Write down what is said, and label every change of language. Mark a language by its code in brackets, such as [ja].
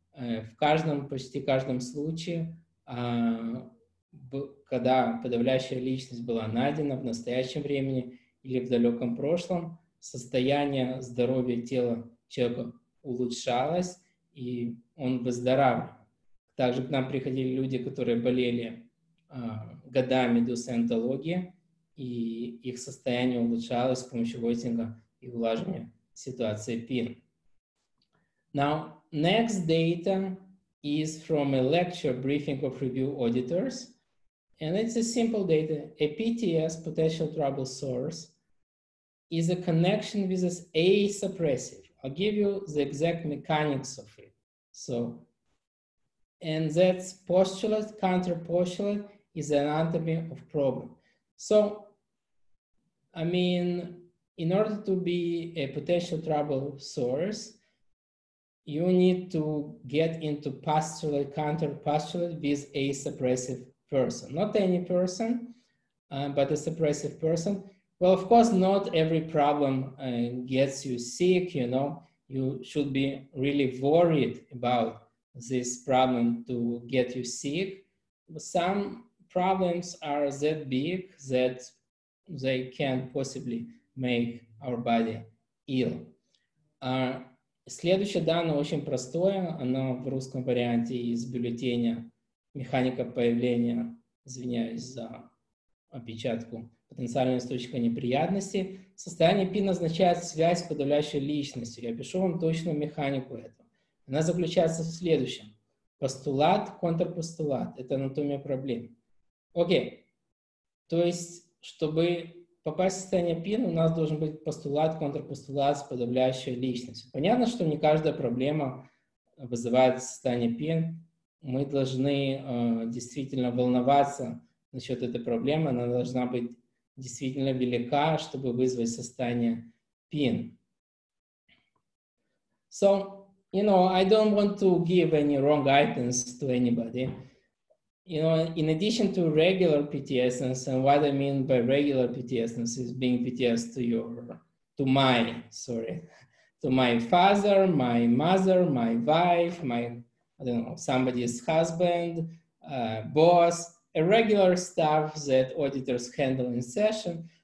[ru] В каждом, почти каждом случае, когда подавляющая личность была найдена в настоящем времени или в далеком прошлом, состояние здоровья тела человека улучшалось, и он выздоравливал. Также к нам приходили люди, которые болели годами до саентологии, и их состояние улучшалось с помощью войтинга и улаживания ситуации ПИН. [en] Now, next data is from a lecture briefing of review auditors, and it's a simple data. A PTS, potential trouble source, is a connection with this A suppressive. I'll give you the exact mechanics of it. So, and that's postulate, counter-postulate is anatomy of problem. So, I mean, in order to be a potential trouble source, you need to get into postulate, counter-postulate with a suppressive person. Not any person, but a suppressive person. Well, of course, not every problem gets you sick, you know. You should be really worried about this problem to get you sick. Some problems are that big that they can possibly make our body ill. [ru] Следующее данное очень простое, оно в русском варианте из бюллетеня «Механика появления», извиняюсь за опечатку, «Потенциальный источник неприятности». Состояние ПИН означает связь с подавляющей личностью. Я пишу вам точную механику этого. Она заключается в следующем. Постулат, контрпостулат – это анатомия проблем. Окей. То есть, чтобы попасть в состояние ПИН, у нас должен быть постулат, контрпостулат с подавляющей личностью. Понятно, что не каждая проблема вызывает состояние ПИН. Мы должны действительно волноваться насчет этой проблемы. Она должна быть действительно велика, чтобы вызвать состояние ПИН. [en] So, you know, I don't want to give any wrong guidance to anybody. You know, in addition to regular PTSNs, and what I mean by regular PTSNs is being PTS to my father, my mother, my wife, my, I don't know, somebody's husband, boss, a regular stuff that auditors handle in session.